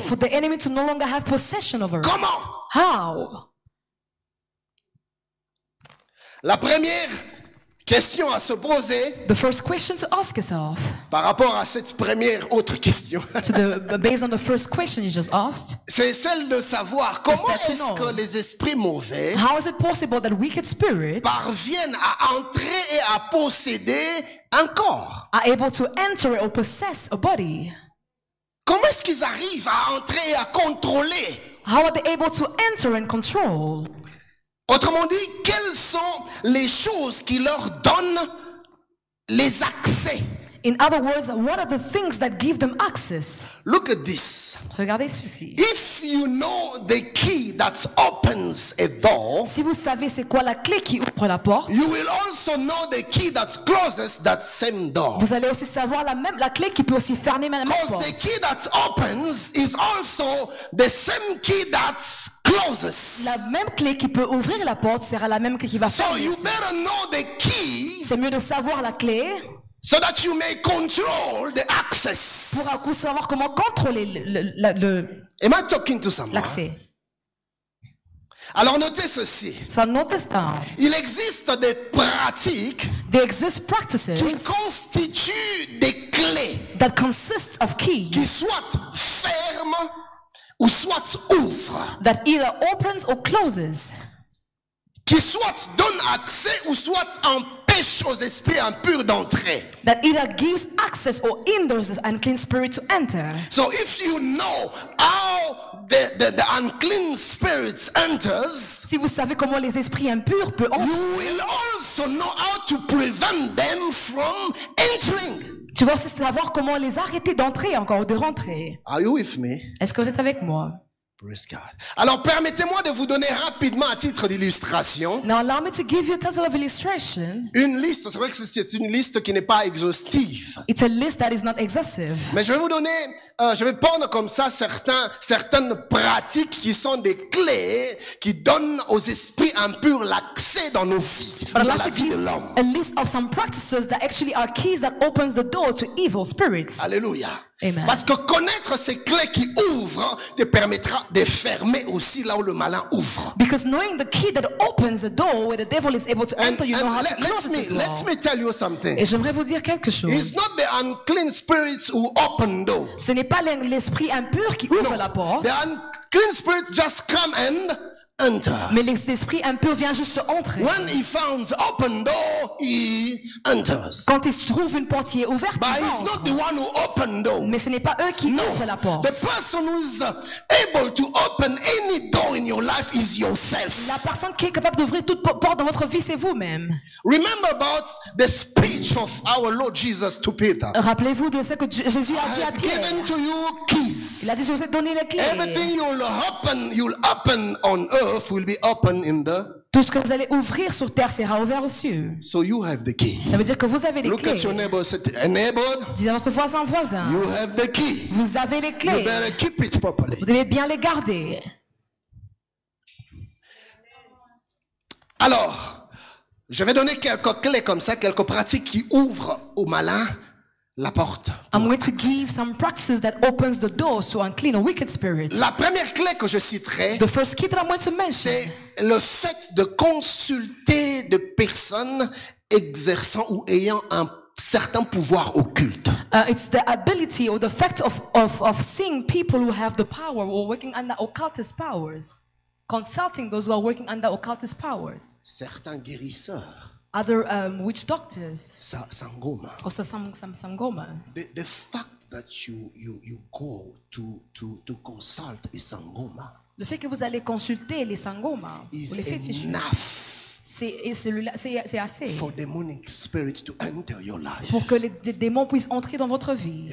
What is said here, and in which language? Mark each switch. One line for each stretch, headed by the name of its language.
English: For the enemy to no longer have possession over it.
French: Comment?
English: How?
French: La première question à se poser.
English: The first question to ask yourself.
French: Par rapport à cette première autre question.
English: based on the first question you just asked.
French: C'est celle de savoir comment est-ce que les esprits mauvais.
English: How is it possible that wicked spirits.
French: Parviennent à entrer et à posséder un corps.
English: Are able to enter or possess a body.
French: Comment est-ce qu'ils arrivent à entrer et à contrôler.
English: How are they able to enter and control.
French: Autrement dit, quelles sont les choses qui leur donnent les accès?
English: In other words, what are the things that give them access? Look at this.
French: Regardez ceci.
English: If you know the key that opens a door,
French: si vous savez c'est quoi la clé qui ouvre la porte,
English: you will also know the key that closes that same door.
French: Vous allez aussi savoir la clé qui peut aussi fermer la même porte.
English: Because the key that opens is also the same key that closes.
French: La même clé qui peut ouvrir la porte sera la même clé qui va fermer.
English: So you better know the keys.
French: C'est mieux de savoir la clé.
English: So that you may control the access.
French: Pour savoir comment contrôler
English: Am I talking to someone?
French: L'accès. Alors notez ceci.
English: So notice that.
French: Il existe des pratiques.
English: There exist practices.
French: Qui constituent des clés.
English: That consist of keys.
French: Qui soit ferme ou soit ouvre.
English: That either opens or closes.
French: Qui soit donne accès ou soit empêche aux esprits impurs d'entrer.
English: That either gives access or hinders an unclean spirit to enter. So if you know how the unclean spirits enters,
French: si vous savez comment les esprits impurs peuvent entrer,
English: you will also know how to prevent them from entering.
French: Tu vas aussi savoir comment les arrêter d'entrer encore ou de rentrer.
English: Are you with me?
French: Est-ce que vous êtes avec moi?
English: Praise God.
French: Alors permettez-moi de vous donner rapidement à titre d'illustration.
English: Now allow me to give you a title of illustration.
French: Une liste, c'est vrai que c'est une liste qui n'est pas exhaustive.
English: It's a list that is not exhaustive.
French: Mais je vais vous donner, je vais prendre comme ça certaines pratiques qui sont des clés qui donnent aux esprits impurs l'accès dans nos vies, dans la vie de l'homme.
English: A list of some practices that actually are keys that opens the door to evil spirits. Alléluia. Amen.
French: Parce que connaître ces clés qui ouvrent te permettra de fermer aussi là où le malin ouvre.
English: Because knowing the key that opens the door where the devil is able to enter, you and know how to close it. Let me tell you something.
French: Et j'aimerais vous dire quelque chose.
English: It's not the unclean spirits who open door.
French: Ce n'est pas l'esprit impur qui ouvre la porte.
English: The unclean spirits just come and enter.
French: Mais l'esprit impur vient juste entrer.
English: When he finds open door, he enters.
French: Quand il trouve une porte qui est ouverte,
English: but
French: il entre.
English: It's not the one who open door.
French: Mais ce n'est pas eux qui ouvrent la porte.
English: The person who is able to open any door in your life is yourself.
French: La personne qui est capable d'ouvrir toute porte dans votre vie, c'est vous-même.
English: Remember about the speech of our Lord Jesus to Peter.
French: Rappelez-vous de ce que Jésus a dit à Pierre.
English: Given to you keys.
French: Il a dit, je vous ai donné les clés.
English: Everything you'll open on earth will be open in the.
French: Tout ce que vous allez ouvrir sur terre sera ouvert aux cieux.
English: So you have the key.
French: Ça veut dire que vous avez les
English: Look
French: clés.
English: At your neighbor, said, neighbor,
French: dis à votre voisin.
English: You have the key.
French: Vous avez les clés.
English: You better keep it properly.
French: Vous devez bien les garder. Alors, je vais donner quelques clés comme ça, quelques pratiques qui ouvrent aux malins la porte.
English: I'm going to give some practices that opens the door to unclean or wicked spirits.
French: La première clé que je citerai,
English: the first key that I'm going to mention,
French: c'est le fait de consulter de personnes exerçant ou ayant un certain pouvoir occulte.
English: It's the ability or the fact of seeing people who have the power or working under occultist powers, consulting those who are working under occultist powers.
French: Certains guérisseurs.
English: Other witch doctors. Sangoma. Or sangoma. The fact that you go to consult a sangoma.
French: Le fait que vous allez consulter les sangoma.
English: Is
French: les
English: enough.
French: C'est assez.
English: For demonic spirits to enter your life.
French: Pour que les démons puissent entrer dans votre vie.